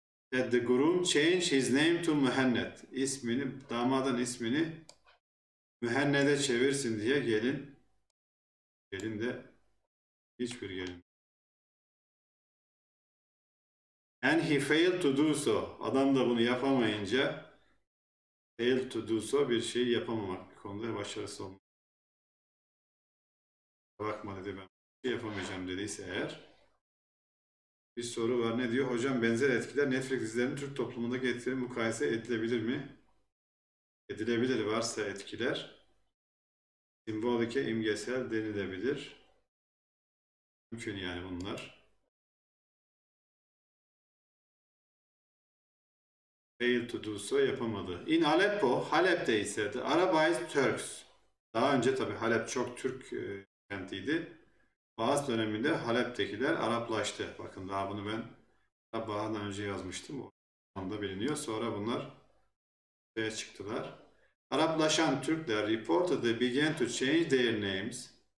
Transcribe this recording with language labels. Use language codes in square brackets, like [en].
[en] That the groom change his name to Muhennet. [tr] İsmini, damadın ismini Muhennet'e çevirsin diye gelin. Gelin de hiçbir gelin. [en] And he failed to do so. [tr] Adam da bunu yapamayınca [en] fail to do so [tr] bir şey yapamamak bir konuda başarısız olmak. Bakma dedi ben bir şey yapamayacağım dediyse eğer. Bir soru var ne diyor? Hocam benzer etkiler Netflix dizilerinin Türk toplumunda getirdiği mukayese edilebilir mi? Edilebilir varsa etkiler. Simbolike imgesel denilebilir. Mümkün yani bunlar. [en] Fail to do so [tr] yapamadı. [en] In Aleppo, [tr] Halep'te ise [en] the Arabized Turks. [tr] Daha önce tabi Halep çok Türk kentiydi. Bazı döneminde Halep'tekiler Araplaştı. Bakın daha bunu ben daha bahadan önce yazmıştım. O anda biliniyor. Sonra bunlar şeye çıktılar. Araplaşan Türkler [en] reported they began to change their names.